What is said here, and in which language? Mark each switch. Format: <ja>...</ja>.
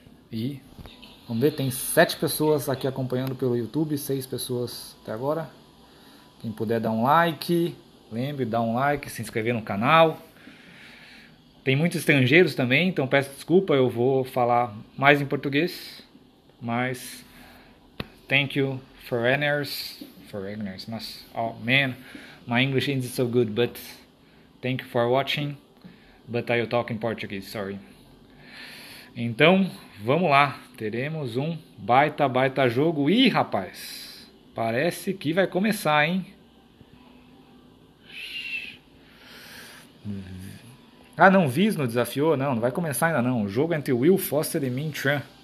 <pt>E vamos ver, tem sete pessoas aqui acompanhando pelo YouTube, seis pessoas até agora. Quem puder dar um like, lembre, dá um like, se inscrever no canal. Tem muitos estrangeiros também, então peço desculpa, eu vou falar mais em português.</pt> <en>Mas thank you, foreigners. Foreigners, nossa, oh man, my English isn't so good, but thank you for watching. But I'll talk in Portuguese, sorry.</en> <pt>Então, vamos lá. Teremos um baita, baita jogo. Ih, rapaz, parece que vai começar, hein? Ah, não, Viz no desafiou? Não, não vai começar ainda não. O jogo entre Will Foster e Min Tran.</pt>